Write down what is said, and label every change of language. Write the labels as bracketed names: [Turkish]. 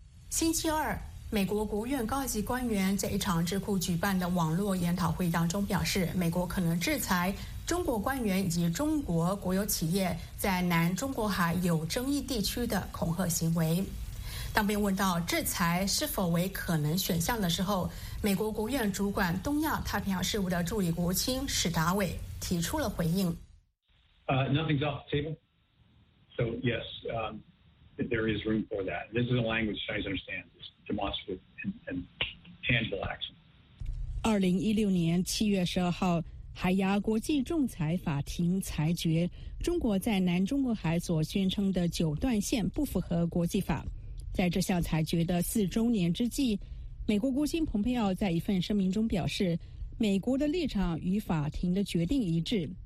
[Chinese] 星期二，美国国务院高级官员在一场智库举办的网络研讨会当中表示，美国可能制裁中国官员以及中国国有企业在南中国海有争议地区的恐吓行为。当被问到制裁是否为可能选项的时候，美国国务院主管东亚太平洋事务的助理国务卿史达伟提出了回应。 [English] Nothing's off the table. So yes, there is room for that. This is a language Chinese understands. It's demonstrative and tangible action. [Chinese] 2016年7月12号，海牙国际仲裁法庭裁决中国在南中国海所宣称的九段线不符合国际法。在这项裁决的四周年之际，美国国务卿蓬佩奥在一份声明中表示，美国的立场与法庭的决定一致。